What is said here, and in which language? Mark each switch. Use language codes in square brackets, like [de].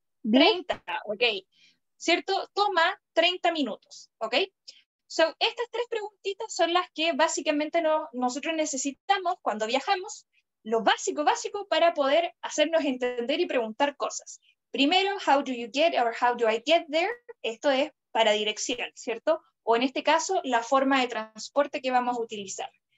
[es] 30, okay. ¿Cierto? Toma 30 minutos, okay? So, estas tres preguntitas son las que básicamente nosotros necesitamos cuando viajamos, lo básico, básico para poder hacernos entender y preguntar cosas. Primero, [en] how do you get or how do I get there? [es] Esto es para dirección, ¿cierto? O en este caso, la forma de transporte que vamos a utilizar.